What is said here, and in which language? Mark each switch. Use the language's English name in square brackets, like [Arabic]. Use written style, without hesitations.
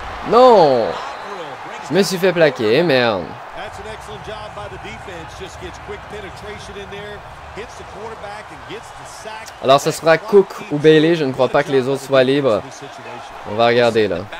[French] Non! Je me suis fait plaquer, merde. [English] That's an excellent job by the defense. Just gets quick penetration in there. Hits the quarterback and gets the sack. [French] Alors ce sera Cook ou Bailey. Je ne crois pas que les autres soient libres. On va regarder là.